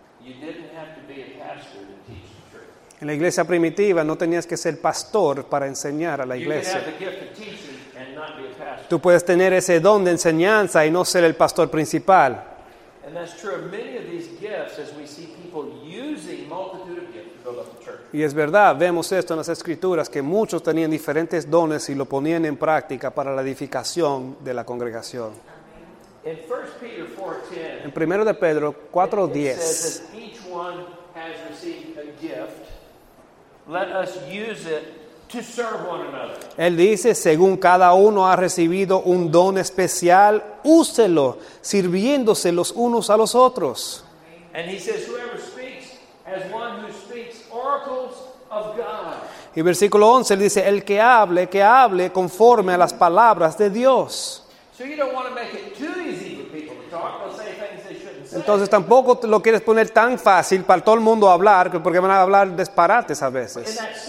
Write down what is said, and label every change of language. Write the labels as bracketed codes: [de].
[en] You didn't have to be a pastor to teach the church. [es] En la iglesia primitiva no tenías que ser pastor para enseñar a la iglesia. [en] You can have the gift of teaching and not be a pastor. [es] Tú puedes tener ese don de enseñanza y no ser el pastor principal. [en] And that's true of many of these gifts as we see people using multitude of gifts. [es] Y es verdad, vemos esto en las Escrituras, que muchos tenían diferentes dones y lo ponían en práctica para la edificación de la congregación. [en] In 1 Peter 4:10, [es] en 1 Pedro 4:10, [en] each one has received a gift, let us use it to serve one another. [es] Él dice, según cada uno ha recibido un don especial, úselo, sirviéndose los unos a los otros. [en] And he says, whoever speaks as one who speaks oracles of God. [es] Y versículo 11 dice, el que hable conforme a las palabras de Dios. [en] So you don't want to make it too easy for people to talk. They'll say things they shouldn't say. [es] Entonces tampoco lo quieres poner tan fácil para todo el mundo hablar, porque van a hablar disparates a veces.